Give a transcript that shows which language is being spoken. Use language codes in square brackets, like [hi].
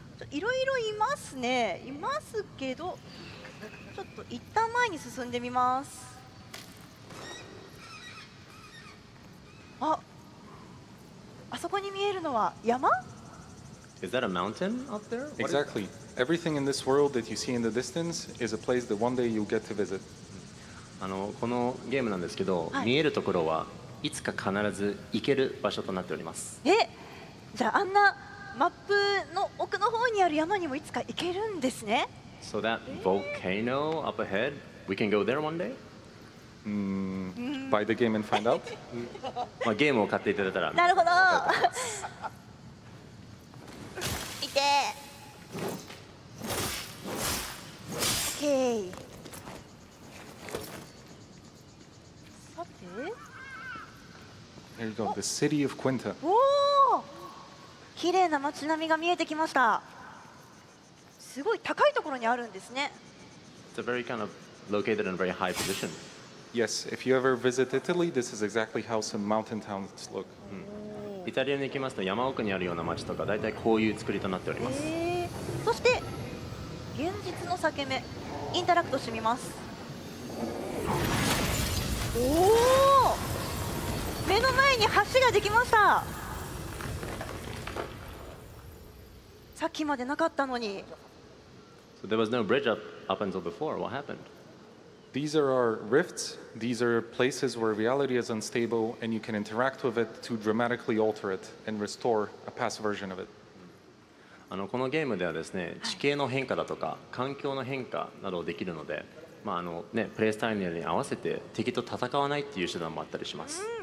[ja] いろいろいますね。いますけど、ちょっと一旦前に進んでみます。あ、あそこに見えるのは山？ [en] Is that a mountain up there? Exactly. Everything in this world that you see in the distance is a place that one day you'll get to visit. [ja] このゲームなんですけど、はい、見えるところはいつか必ず行ける場所となっております。え、じゃああんなマップの奥の方にある山にもいつか行けるんですね。 [en] So that volcano up ahead, we can go there one day? Buy the game and find out? [ja] まあ、ゲームを買っていただいたら。なるほど。いて。 OK。さて。 [en] There you go, the city of Quinta. [ja] おお、綺麗な街並みが見えてきました。すごい高いところにあるんですね。 [en] It's a very kind of located in a very high position. Yes, if you ever visit Italy, this is exactly how some mountain towns look. [ja] イタリアに行きますと山奥にあるような街とか、だいたいこういう作りとなっております。そして現実の裂け目インタラクトしてみます。おお、目の前に橋ができました。さっきまでなかったのに。 [en] So there was no bridge up, up until before. What happened? These are our rifts. These are places where reality is unstable and you can interact with it to dramatically alter it and restore a past version of it. [ja] あのこのゲームではですね、地形の変化だとか環境の変化などできるので、まああのね、プレイスタイルに合わせて敵と戦わないっていう手段もあったりします。